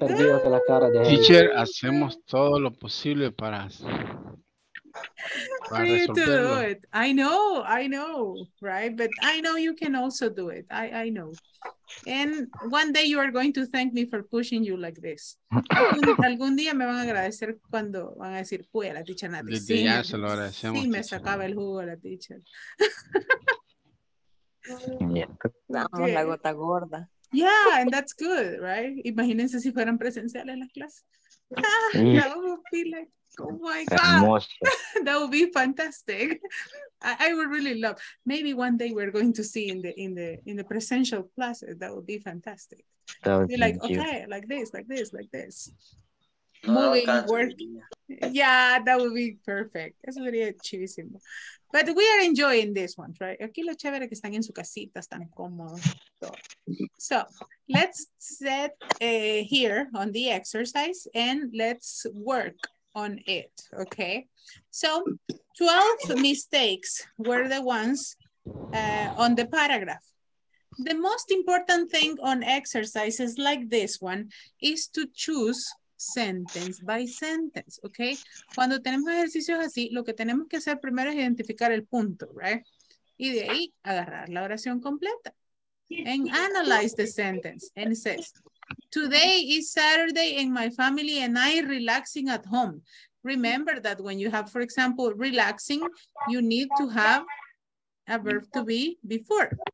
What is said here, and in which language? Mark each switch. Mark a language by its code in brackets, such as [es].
[es] perdido que la cara de teacher, ahí. Hacemos todo lo posible para [en] resolverlo. You to do it. I know, right? But I know you can also do it. I know. And one day you are going to thank me for pushing you like this. [es] Algún día me van a agradecer cuando van a decir, "Pues la teacher Nati." Sí, ya se lo agradecemos. Sí, me sacaba el jugo la teacher. No, la gota gorda. [en] Yeah, and that's good, right? [es] Imagínense si fueran presenciales las clases. [en] That would be like, oh my God. That would be fantastic. I would really love. Maybe one day we're going to see in the presencial classes. That would be fantastic. That would be like, okay, like this. Moving work. Yeah, that would be perfect. [es] Eso sería chivísimo. [en] But we are enjoying this one, right? [es] Aquí lo chévere que están en su casita, están cómodos. [en] So let's set here on the exercise and let's work on it, okay? So 12 mistakes were the ones on the paragraph. The most important thing on exercises like this one is to choose sentence by sentence, okay? [es] Cuando tenemos ejercicios así, lo que tenemos que hacer primero es identificar el punto, right? Y de ahí agarrar la oración completa. [en] And analyze the sentence. And it says, today is Saturday and my family and I are relaxing at home. Remember that when you have, for example, relaxing, you need to have a verb to be before.